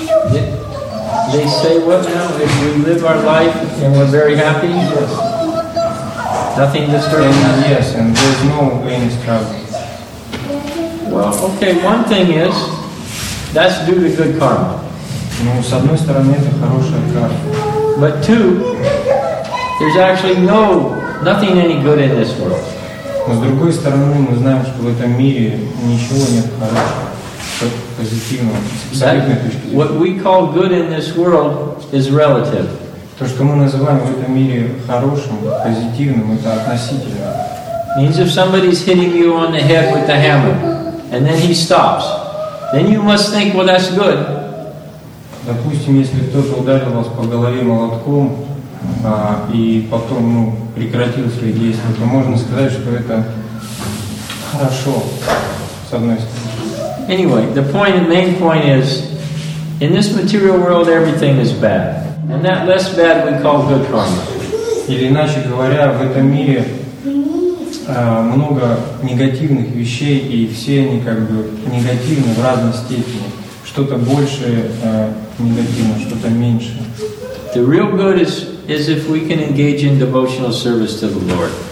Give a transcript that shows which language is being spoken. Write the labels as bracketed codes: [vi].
[en] They say what now? If we live our life and we're very happy, yes. Nothing disturbs us. Yes, and there's no any struggle. Well, okay, one thing is that's due to good karma. [ru] Ну, с одной стороны, это хорошая карма. [en] But two, there's actually nothing any good in this world. [ru] Но с другой стороны, мы знаем, что в этом мире ничего нет хорошего, позитивного, с абсолютной точки зрения. [en] What we call good in this world is relative. [ru] То, что мы называем в этом мире хорошим, позитивным, это относительно. [en] Means if somebody's hitting you on the head with the hammer, and then he stops, then you must think, well, that's good. [ru] Допустим, если кто-то ударил вас по голове молотком, и потом, ну, прекратил свои действия, то можно сказать, что это хорошо, с одной стороны. [en] Anyway, the main point is, in this material world everything is bad. And that less bad we call good karma. [ru] Или иначе говоря, в этом мире много негативных вещей, и все они как бы негативны в разной степени. Что-то большее негативное, что-то меньшее. [en] The real good is if we can engage in devotional service to the Lord.